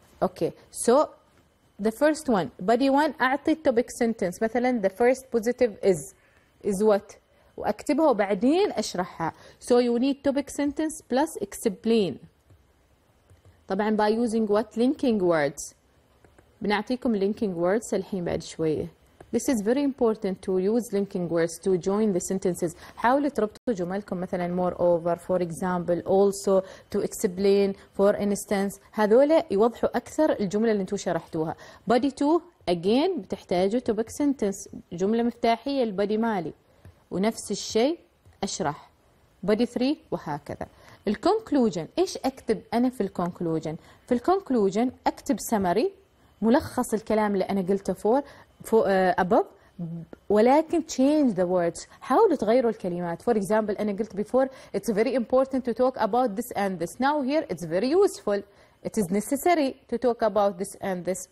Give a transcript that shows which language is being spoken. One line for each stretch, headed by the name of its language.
English: Okay, so the first one, body one, اعطي topic sentence. مثلا the first positive is what, واكتبها وبعدين اشرحها. So you need topic sentence plus explain. طبعا by using what? Linking words.
Arabic: بنعطيكم linking words الحين بعد شوية.
English: This is very important to use linking words to join the sentences.
Arabic: حاولوا تربطوا جملكم, مثلا moreover, for example, also, to explain, for instance. هذولا يوضحوا أكثر الجملة اللي انتو شرحتوها. Body 2, again, بتحتاجوا topic sentence. جملة مفتاحية البادي مالي. ونفس الشيء أشرح body 3 وهكذا. الكونكلوجن إيش أكتب أنا في الكونكلوجن؟ في الكونكلوجن أكتب summary، ملخص الكلام اللي أنا قلته فور أبوب، ولكن change the words، حاولوا تغيروا الكلمات.
English: For example أنا قلت before it's very important to talk about this and this. Now here it's very useful. It is necessary to talk about this and this.